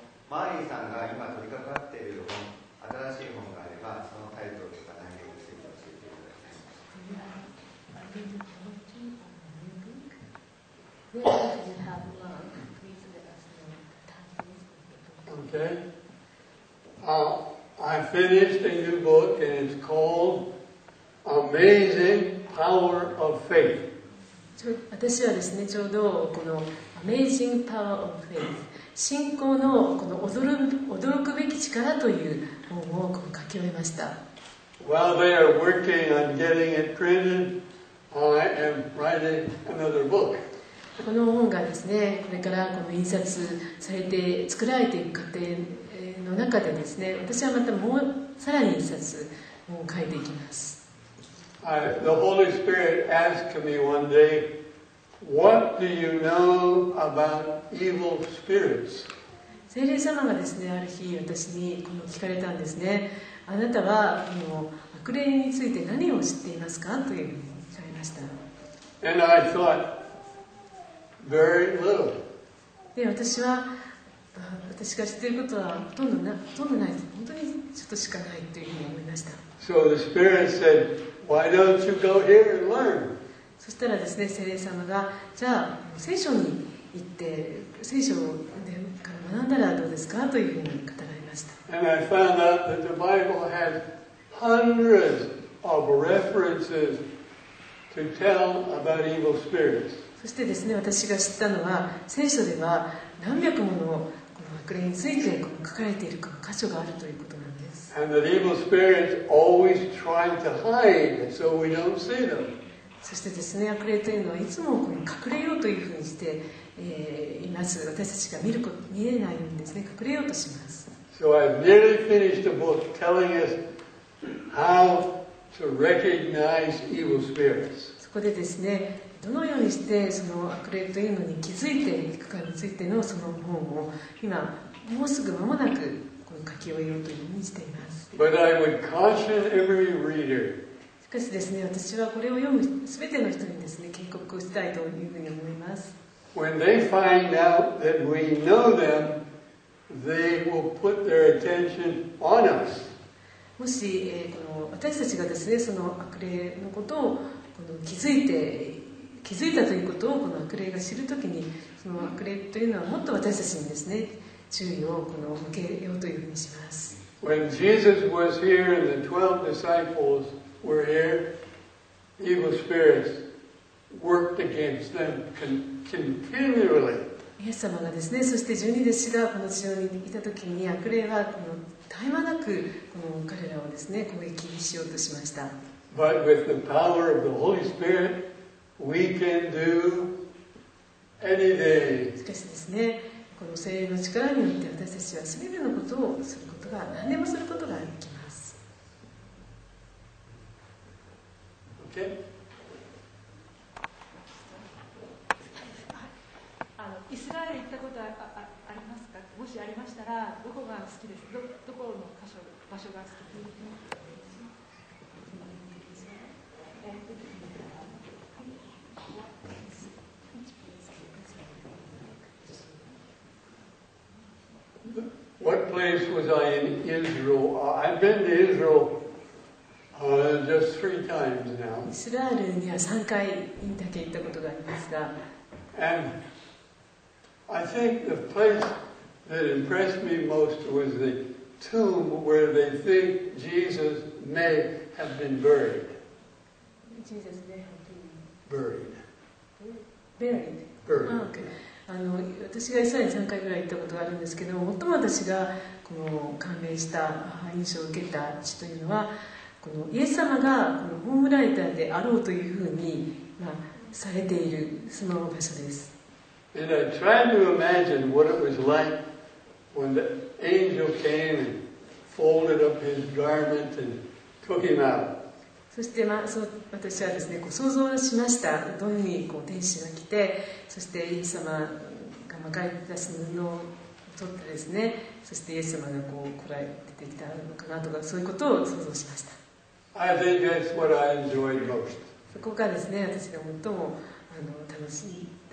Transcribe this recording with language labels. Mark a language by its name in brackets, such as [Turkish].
[Japanese] マーリーさんが今取り掛かっている本、新しい本があれば、そのタイトルとか内容について教えてください。 [English] Okay. I finished a new book and it's called Amazing Power of Faith. [Japanese] 私はですね、ちょうどこのAmazing Power of Faith 信仰 の, この驚くべき力という本を書き終えました。 [English] While they are working on getting it printed, I am writing another book. [Japanese] この本がですね、これからこの印刷されて作られていく過程の中でですね、私はまたもうさらに印刷を書いていきます。 [English] The Holy Spirit asked me one day, "What do you know about evil spirits?" [Japanese] 聖霊様がですね、ある日私にこの聞かれたんですね。あなたはもう悪霊について何を知っていますかというふうに聞かれました。 [English] And I thought, very little. [Japanese] で私は私が知っていることはほとんどない本当にちょっとしかないというふうに思いました。 [English] So the Spirit said, why don't you go here and learn? [Japanese] そしたらですね、聖霊様がじゃあ聖書に行って聖書から学んだらどうですかというふうに語られ。 [English] And I found out that the Bible has hundreds of references to tell about evil spirits. [Japanese] そしてですね、私が知ったのは、聖書では何百ものこの悪霊について書かれている箇所があるということなんです。 [English] And that evil spirits always try to hide so we don't see them. [Japanese] そしてですね、悪霊というのはいつもこの隠れようというふうにして、います。私たちが見ること見えないんですね、隠れようとします。 [English] So I've nearly finished a book telling us how to recognize evil spirits. [Japanese] そこでですね、どのようにしてその悪霊というのに気づいていくかについてのその本を今もうすぐ間もなくこの書き終えようというふうにしています。 [English] But I would caution every reader. [Japanese] しかしですね、私はこれを読むすべての人にですね、警告したいというふうに思います。 [English] When they find out that we know them. They will put their attention on us. [Japanese] もし、この私たちがですね、その悪霊のことをこの気づいたということをこの悪霊が知るときに、その悪霊というのはもっと私たちにですね、注意をこの向けようというふうにします。 [English] When Jesus was here and the 12 disciples were here, evil spirits worked against them continually. [Japanese] イエス様がですね、そして十二弟子がこの地上にいたときに悪霊はこの絶え間なくこの彼らをですね、攻撃しようとしました。 [English] But with the power of the Holy Spirit, we can do anything. [Japanese] しかしですね、この聖霊の力によって私たちは全てのことをすることが、何でもすることができます。 [English] Okay. [Japanese] イスラエル行ったことありますか？もしありましたら、どこが好きですか？どこの箇所、場所が好きですか？ [English] What place was I in Israel? I've been to Israel, just three times now. [Japanese] イスラエルには3回だけ行ったことがありますが、 [English] I think the place that impressed me most was the tomb where they think Jesus may have been buried. Jesus may have been buried. Buried. Buried. Ah, okay. [Japanese] あの私がイスラエル3回ぐらい行ったことがあるんですけど、最も私がこの感銘した印象を受けた地というのは、このイエス様がこの葬られたであろうというふうに、まあ、されているその場所です。 [English] And I tried to imagine what it was like when the angel came and folded up his garment and took him out. [Japanese] そして、まあ、私はですね、こう想像しました。どういうふうにこう天使が来て、そしてイエス様が巻かれた布を取ってですね、そしてイエス様がこう来られてきたのかなとか、そういうことを想像しました。 [English] I think that's what I enjoyed most. [Japanese] そこがですね、私が最も楽しい。